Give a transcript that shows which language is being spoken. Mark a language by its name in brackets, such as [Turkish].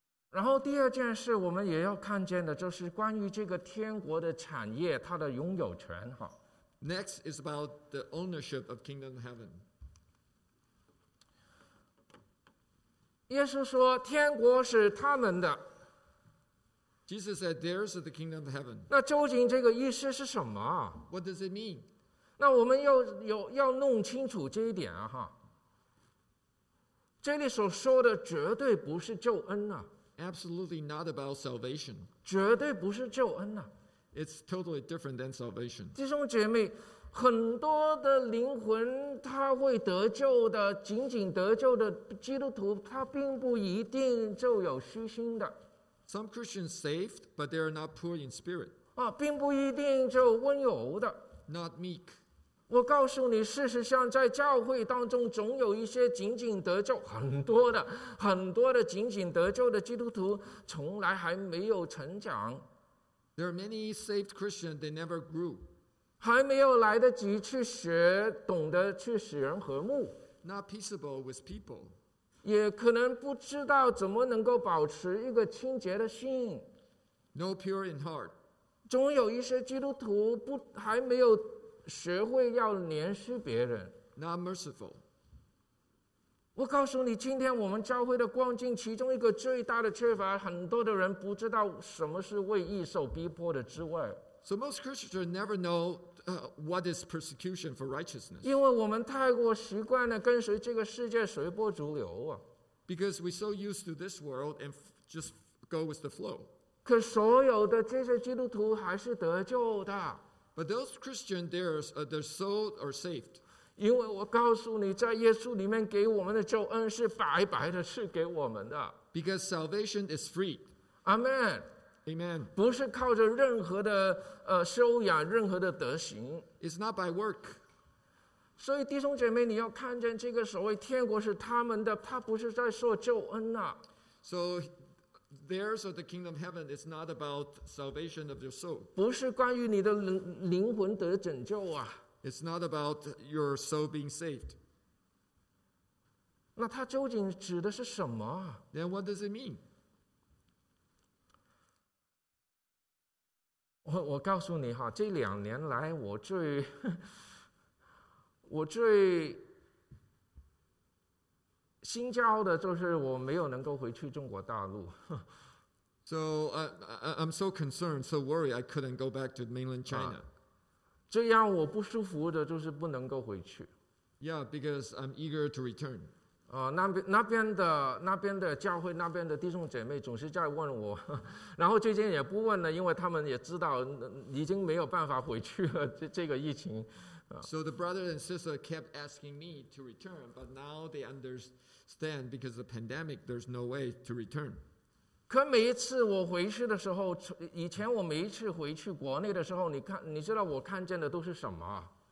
[Chinese] 然后第二件事我们也要看见的，就是关于这个天国的产业，它的拥有权。 [English] Next is about the ownership of kingdom of heaven. [Chinese] 耶稣说天国是他们的。 [English] Jesus said, "Theirs is the kingdom of heaven." [Chinese] 那究竟这个意思是什么 [English] ？What does it mean? [Chinese] 那我们要弄清楚这一点啊哈。这里所说的绝对不是救恩啊。 [English] Absolutely not about salvation. [Chinese] 绝对不是救恩啊。 [English] It's totally different than salvation. [Chinese] 弟兄姐妹，很多的灵魂他会得救的，仅仅得救的基督徒，他并不一定就有虚心的。 [English] Some Christians saved, but they are not poor in spirit. [Chinese] 啊，并不一定就温柔的。 [English] Not meek. [Chinese] 我告诉你，事实上，在教会当中，总有一些仅仅得救，很多的仅仅得救的基督徒，从来还没有成长。 [English] There are many saved Christians, they never grew. [Chinese] 还没有来得及去学懂得去使人和睦。 [English] Not peaceable with people. [Chinese] 也可能不知道怎么能够保持一个清洁的心。 [English] No pure in heart. [Chinese] 总有一些基督徒不还没有学会要怜恤别人。 [English] Not merciful. [Chinese] 我告诉你，今天我们教会的光景，其中一个最大的缺乏，很多的人不知道什么是为义受逼迫的滋味。 [English] So most Christians never know what is persecution for righteousness. [Chinese] 因为我们太过习惯了跟随这个世界随波逐流啊。 [English] Because we're so used to this world and just go with the flow. [Chinese] 可所有的这些基督徒还是得救的。 [English] But those Christians, their souls are saved. [Chinese] 因为我告诉你，在耶稣里面给我们的救恩是白白的赐给我们的。 [English] Because salvation is free. Amen. Amen. [Chinese] 不是靠着任何的修养，任何的德行。 [English] It's not by work. [Chinese] 所以弟兄姐妹，你要看见这个所谓天国是他们的，他不是在说救恩呐。 [English] So, theirs of the kingdom of heaven is not about salvation of your soul. [Chinese] 不是关于你的灵魂得拯救啊。 [English] It's not about your soul being saved. [Chinese] 那它究竟指的是什么 [English] ？Then what does it mean? [Chinese] 我告诉你哈，这两年来我最心焦的就是我没有能够回去中国大陆。 [English] So I'm so concerned, so worried I couldn't go back to mainland China. [Chinese] 这样我不舒服的就是不能够回去。 [English] Yeah, because I'm eager to return. [Chinese] 那边的教会那边的弟兄姐妹总是在问我，然后最近也不问了，因为他们也知道已经没有办法回去了，这个疫情。 [English] So the brother and sister kept asking me to return, but now they understand because of the pandemic, there's no way to return. [Chinese] 可每一次我回去的时候，以前我每一次回去国内的时候，你知道我看见的都是什么